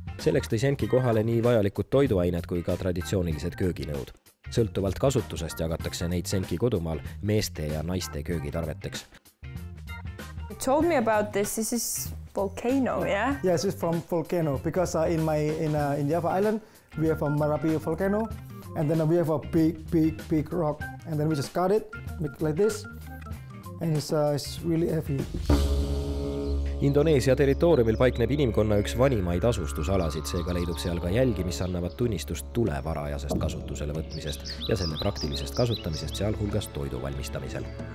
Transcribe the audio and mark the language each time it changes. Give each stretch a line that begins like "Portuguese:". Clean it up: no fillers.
Estonian: Selleks tõi Senki kohale nii vajalikud toiduained kui ka traditsioonilised kööginõud. Sõltuvalt kasutusest jagatakse neid Senki kodumaal meeste ja naiste köögitarveteks.
English: You told me about this. This is volcano, yeah? Yes, it's from volcano, because in Java Island, we have a Marapi volcano. And then we have a big rock, and then we just cut it like this, and it's really heavy.
Estonian: Indoneesia territooriumil paikneb inimkonna üks vanimaid asustusalasid, seega leidub seal ka jälgi, mis annavad tunnistust tulevarajasest kasutusele võtmisest ja selle praktilisest kasutamisest seal hulgas toidu valmistamisel.